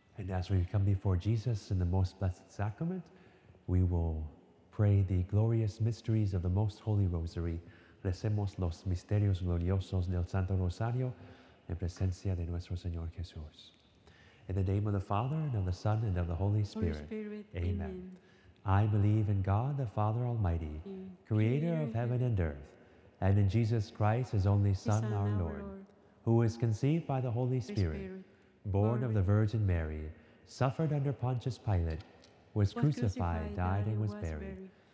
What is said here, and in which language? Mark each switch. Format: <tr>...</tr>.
<en>As we come before Jesus in the most blessed sacrament, we will pray the glorious mysteries of the Most Holy Rosary.</en> <es>Recemos los misterios gloriosos del Santo Rosario en presencia de nuestro Señor Jesús.</es> <en>In the name of the Father, and of the Son, and of the Holy Spirit. Holy Spirit. Amen. I believe in God, the Father Almighty, creator of heaven and earth, and in Jesus Christ, his only Son, our Lord, who was conceived by the Holy Spirit. Born of the Virgin Mary, suffered under Pontius Pilate, was crucified, died, and was buried.</en>